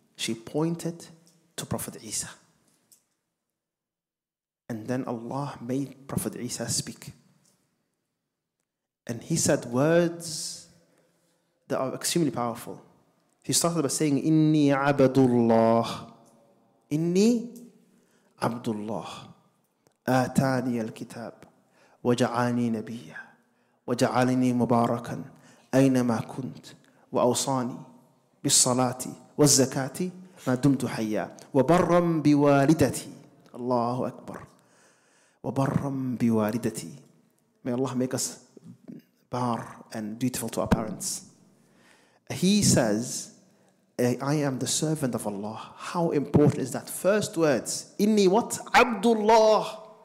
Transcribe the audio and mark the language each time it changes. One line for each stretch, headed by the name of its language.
English: She pointed to Prophet Isa. And then Allah made Prophet Isa speak. And he said words that are extremely powerful. He started by saying,
Arabic: إِنِّي عَبَدُ اللَّهِ. إني عبد الله آتاني الكتاب وجعلني نبيا وجعلني مباركا أينما كنت وأوصاني بالصلاة والزكاة ما دمت حيا وبرا بوالدتي. الله أكبر. وبرا بوالدتي.
English: May Allah make us bar and dutiful to our parents. He says, I am the servant of Allah. How important is that? First words, inni what? Abdullah.